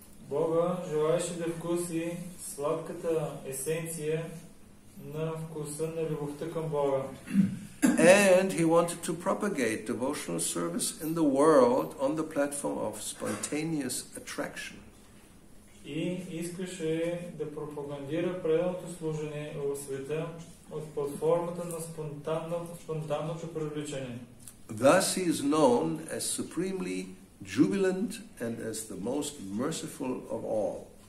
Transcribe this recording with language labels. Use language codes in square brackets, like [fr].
[bg] Бога желаеше да вкуси сладката есенция на вкуса на любовта към Бога. [en] And he wanted to propagate devotional service in the world on the platform of spontaneous attraction. [bg] И искаше да пропагандира преданото служение в света от платформата на спонтанното привличане. [en] Thus he is known as supremely jubilant and as the most merciful of all.